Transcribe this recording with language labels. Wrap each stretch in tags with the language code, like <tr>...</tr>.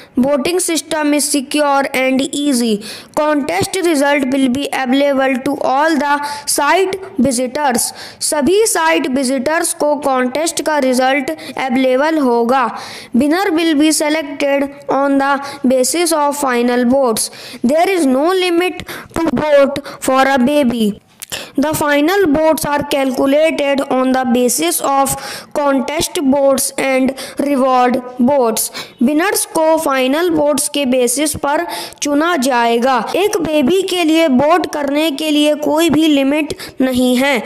<en>Voting system is secure and easy. Contest result will be available to all the site visitors.</en> <hi>सभी site visitors को contest का result available होगा।</hi> <en>Winner will be selected on the basis of final votes. There is no limit to vote for a baby. The final votes are calculated on the basis of contest votes and reward votes.</en> <hi>Winners को final votes के basis पर चुना जाएगा। एक baby के लिए vote करने के लिए कोई भी limit नहीं है।</hi>